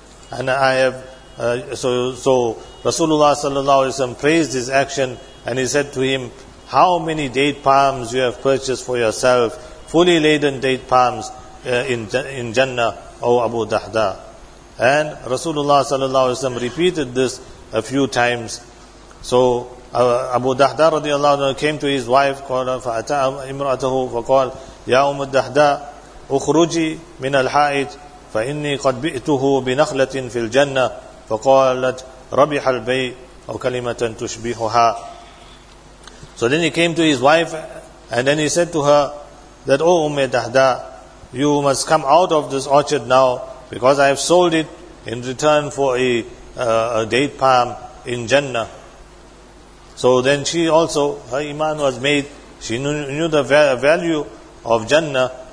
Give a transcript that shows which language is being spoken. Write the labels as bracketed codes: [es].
[en] And I have, so Rasulullah sallallahu alaihi wasallam praised his action, and he said to him, how many date palms you have purchased for yourself, fully laden date palms in Jannah, O Abu Dahda. And Rasulullah sallallahu alaihi wasallam repeated this a few times. So Abu Dahda radiallahu anhu came to his wife, called [ar] فَأَتَاهَ إِمْرَأَتَهُ فَقَالَ يَا أُمُّ الدَّحْدَى أُخْرُجِي مِنَ الْحَائِطِ فَإِنِّي قَدْ بِئْتُهُ بِنَخْلَةٍ فِي الْجَنَّةِ فَقَالَتْ رَبِحَ الْبَيْءُ أَوْ كَلِمَةً تُشْبِهُهَا. [en] So then he came to his wife, and then he said to her that, O Umm Dahda, you must come out of this orchard now, because I have sold it in return for a date palm in Jannah. So then she also, her iman was made. She knew the value of Jannah.